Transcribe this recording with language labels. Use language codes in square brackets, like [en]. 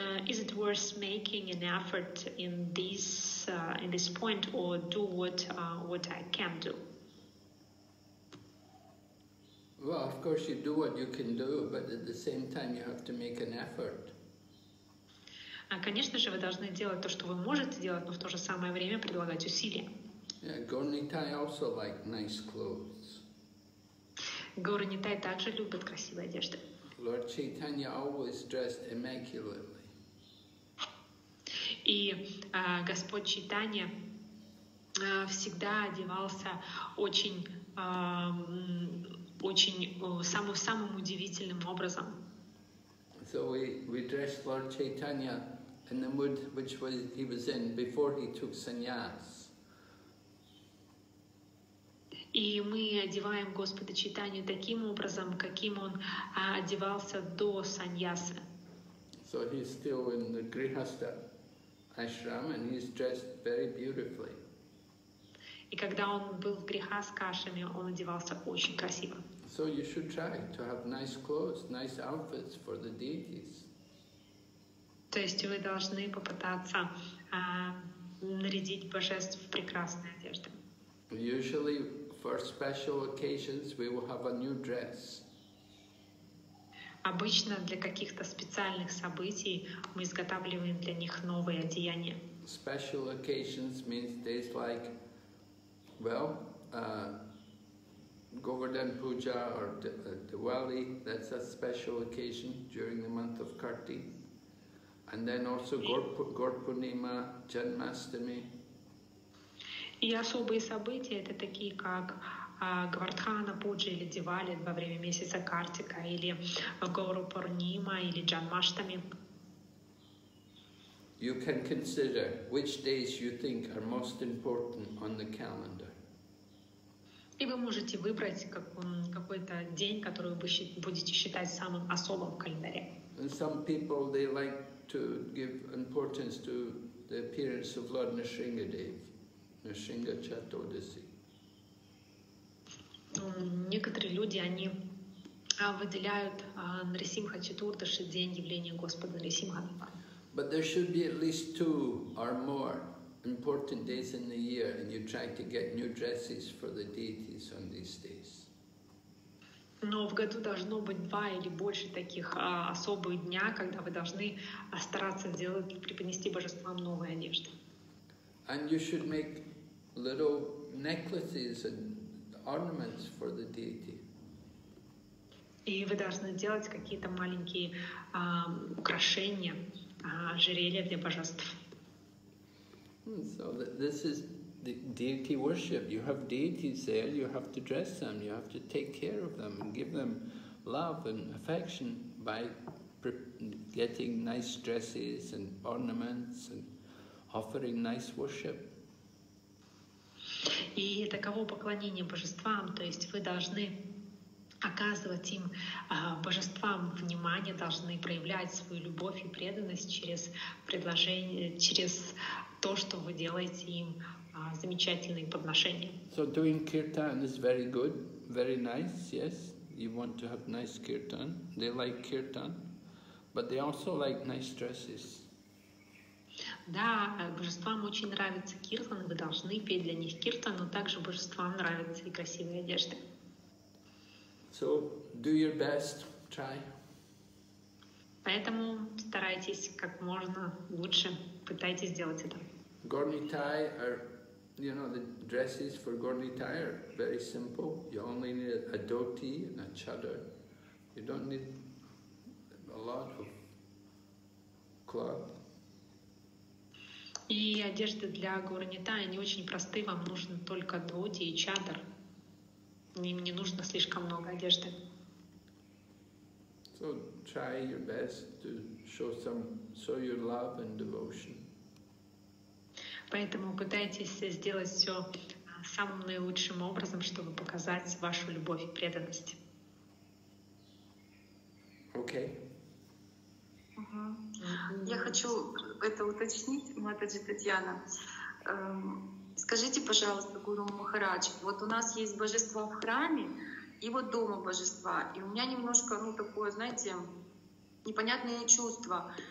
[en] Is it worth making an effort in this point, or do what I can do? Well, of course you do what you can do, but at the same time you have to make an effort. [ru] Конечно же, вы должны делать то, что вы можете делать, но в то же самое время прилагать усилия. [en] Yeah, Gaura Nitai also like nice clothes. [ru] Gaura Nitai также любит красивые одежды. [en] Lord Chaitanya always dressed immaculately. [ru] И Господь Чайтанья всегда одевался очень самым удивительным образом. [en] So we dressed Lord Chaitanya in the mood which was he was in before he took sannyas. [ru] И мы одеваем Господа Чайтанью таким образом, каким он одевался до саньяса. [en] So he's still in the grihastha ashram and he's dressed very beautifully. [ru] И когда он был в грихастха ашраме, он одевался очень красиво. [en] So you should try to have nice clothes, nice outfits for the deities. [ru] То есть вы должны попытаться нарядить божеств в прекрасные одежды. [en] Usually for special occasions we will have a new dress. [ru] Обычно для каких-то специальных событий мы изготавливаем для них новые одеяния. [en] Special occasions means days like, well, Govardhan Puja or Diwali, that's a special occasion during the month of Kartik. And then also Gorpunima, Janmashtami. [ru] И особые события это такие как Гвардхана Пуджа или Дивали во время месяца Картика или Горупурнима или Джанмаштами. [en] You can consider which days you think are most important on the calendar. [ru] И вы можете выбрать какой-то день, который вы будете считать самым особым в календаре. [en] And some people they like to give importance to the appearance of Lord Nrisingadev, Nrisinga Chaturdasi. [ru] Некоторые люди они выделяют Нрисимха Чатурдаши день явления Господа Нрисимха. [en] But there should be at least two or more important days in the year, and you try to get new dresses for the deities on these days. [ru] Но в году должно быть два или больше таких особых дня, когда вы должны стараться делать, преподнести божествам новые одежды. [en] And you should make little necklaces and ornaments for the deity. [ru] И вы должны делать какие-то маленькие украшения, ожерелья для божеств. [en] So this is the deity worship. You have deities there, you have to dress them, you have to take care of them and give them love and affection by getting nice dresses and ornaments and offering nice worship. [ru] И таково поклонение божествам, то есть вы должны оказывать им божествам внимание, должны проявлять свою любовь и преданность через предложение, через то, что вы делаете им замечательные подношения. [en] So doing kirtan is very good, very nice, yes. You want to have nice kirtan. They like kirtan, but they also like nice dresses. [ru] Да, божествам очень нравится киртан, вы должны петь для них киртан, но также божествам нравятся и красивые одежды. [en] So do your best, try. [ru] Поэтому старайтесь как можно лучше, пытайтесь сделать это. [en] Gaura Nitai are, you know, the dresses for Gaura Nitai are very simple. You only need a dhoti and a chador. You don't need a lot of cloth. [ru] И одежды для Gaura Nitai не очень просты. Вам нужно только дхоти и чадор. Им не нужно слишком много одежды. [en] So try your best to show your love and devotion. [ru] Поэтому пытайтесь сделать все самым наилучшим образом, чтобы показать вашу любовь и преданность. Окей. Я хочу это уточнить, Матаджи Татьяна. Скажите, пожалуйста, Гуру Махарадж, вот у нас есть божество в храме, и вот дома божества, и у меня немножко, ну, такое, знаете, непонятное чувство.